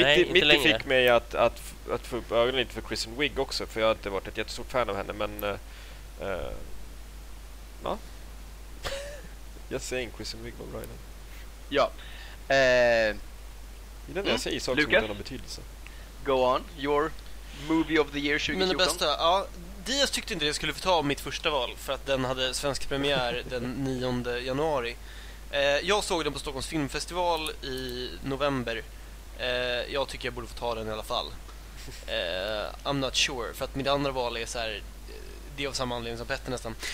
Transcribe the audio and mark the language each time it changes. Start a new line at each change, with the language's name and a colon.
Swedish: Mitty fick mig att få upp ögonen lite för Kristen Wiig också, för jag har inte varit ett jättestort fan av henne, men ja. Jag säger en Kristen Wiig var bra innan. Ja. Det är det jag säger, saker som inte har betydelse.
English: Go on, your movie of the year 2014.
Swedish: Min bästa, ja. Dias tyckte inte att jag skulle få ta mitt första val, för att den hade svensk premiär den 9 januari. Jag såg den på Stockholms filmfestival i november. Jag tycker jag borde få ta den i alla fall.
English: I'm not sure,
Swedish: för att mitt andra val är så här, det är av samma anledning som Petter nästan.